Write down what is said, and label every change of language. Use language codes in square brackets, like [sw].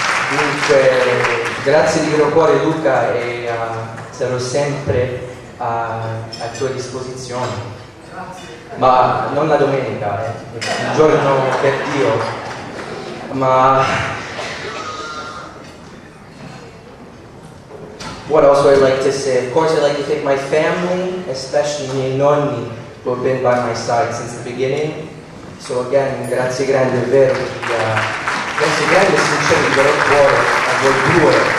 [it] Dunque, grazie di vero cuore Luca e sarò sempre a tua disposizione. Grazie. Ma non la domenica, il giorno per Dio. [en] Ma what else would I like to say? Of course I'd like to thank my family, especially [it] i miei nonni [en] who have been by my side since the beginning. So again, [it] grazie grande, è vero. Grazie grande e sincero di vero cuore a voi due.